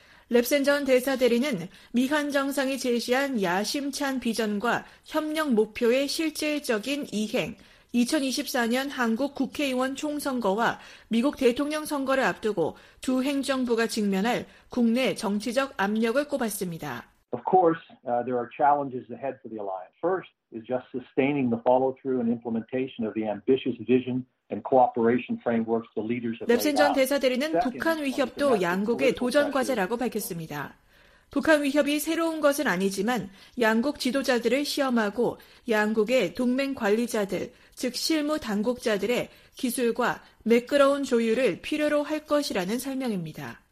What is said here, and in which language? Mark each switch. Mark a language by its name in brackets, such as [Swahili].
[Korean] 랩슨 전 대사대리는 미한 정상이 제시한 야심찬 비전과 협력 목표의 실질적인 이행, 2024년 한국 국회의원 총선거와 미국 대통령 선거를 앞두고 두 행정부가 직면할 국내 정치적 압력을 꼽았습니다. [English] Of course, there are challenges ahead for the alliance. First is just sustaining the follow-through and implementation of the ambitious vision. [Korean] 랩슨 전 대사대리는 북한 위협도 양국의 도전과제라고 밝혔습니다. 북한 위협이 새로운 것은 아니지만 양국 지도자들을 시험하고 양국의 동맹 관리자들, 즉 실무 당국자들의 기술과 매끄러운 조율을 필요로 할 것이라는 설명입니다.